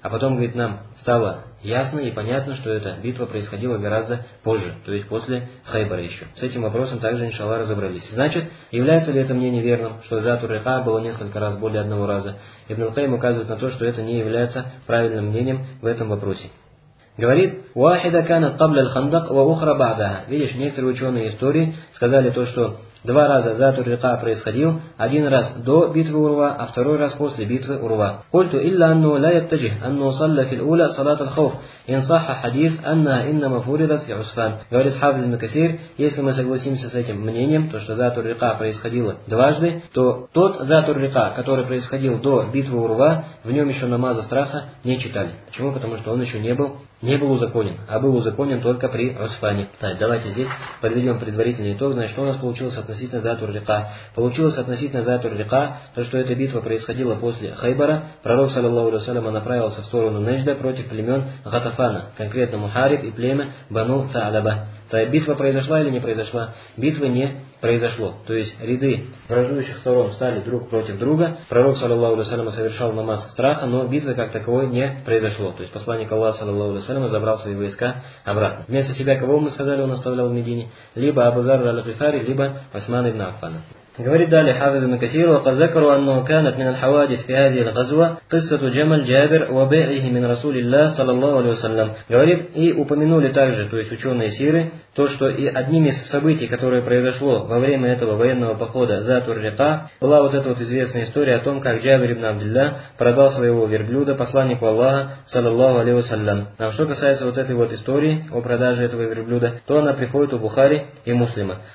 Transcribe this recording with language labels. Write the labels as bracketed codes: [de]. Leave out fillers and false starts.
[ru] А потом, говорит, нам стало ясно и понятно, что эта битва происходила гораздо позже, то есть после Хайбара еще. С этим вопросом также, иншаллах, разобрались. Значит, является ли это мнение верным, что Затур-Рика было несколько раз более одного раза? Ибн аль-Каим указывает на то, что это не является правильным мнением в этом вопросе. Говорит, [ar] واحدة كانت قبل الخندق وأخرى بعدها. [ru] Видишь, некоторые ученые истории сказали то, что два раза Затур-Рика происходил, один раз до битвы Урва, а второй раз после битвы Урва. [ar] قلت إلا أنه لا يتجه أنه صلى في الأولى صلاة الخوف إن صح حديث أنها إنما فرضت في عسفان. [ru] Говорит Хафиз ибн Касир, если мы согласимся с этим мнением, то что Затур-Рика происходило дважды, то тот Затур-Рика, который происходил до битвы Урва, в нем еще намаза страха не читали. Почему? Потому что он еще не был узаконен, а был узаконен только при Усфане. Так, давайте здесь подведем предварительный итог. Значит, что у нас получилось относительно Затур-Рика? Получилось относительно Затур-Рика то, что эта битва происходила после Хайбара. Пророк, саллиллаху алейхи ва саллям, направился в сторону Нежда против племен Гатафана, конкретно Мухариб и племя Бану Саадаба. Так, битва произошла или не произошла? Битвы не произошло. То есть ряды враждующих сторон стали друг против друга. Пророк, саллиллаху алейхи ва саллям, совершал намаз страха, но битвы как таковой не произошло. То есть посланник Аллаха, саллиллаху алейхи ва саллям, забрал свои войска обратно. Вместо себя кого, мы сказали, он оставлял в Медине? Либо Абу Зарр аль-Гифари, либо Усман ибн Аффана. Говорит далее Хафиз ибн Касир, [ar] وقد ذكروا أنه كانت من الحوادث في هذه الغزوة قصة جمل جابر وبيعه من رسول الله صلى الله عليه وسلم. [ru] Говорит, и упомянули также, то есть ученые Сиры, то, что и одним из событий, которое произошло во время этого военного похода за Тур-Рика, была вот эта вот известная история о том, как Джабир ибн Абдилля продал своего верблюда посланнику Аллаха, саллаллаху алейхи ва саллям. А что касается вот этой вот истории о продаже этого верблюда, то она приходит у Бухари и Муслима.